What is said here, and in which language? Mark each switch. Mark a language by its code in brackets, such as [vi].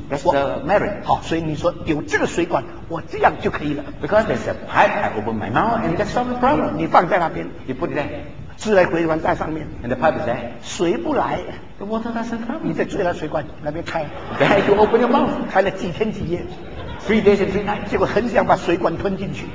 [en] That's the merit. [zh] 好，所以你说有这个水管，我这样就可以了。 [en] Because there's a pipe, I open my mouth and that's the problem. [zh] 你放在那边。 [en] You put it there. [zh] 自来水管在上面。 [en] And the pipe is there. [zh] 水不来。 [en] The water doesn't come. [zh] 你在自来水管那边开。 [en] There you open your mouth. [zh] 开了几天几夜。 [en] 3 days and 3 nights, [zh] 结果很想把水管吞进去。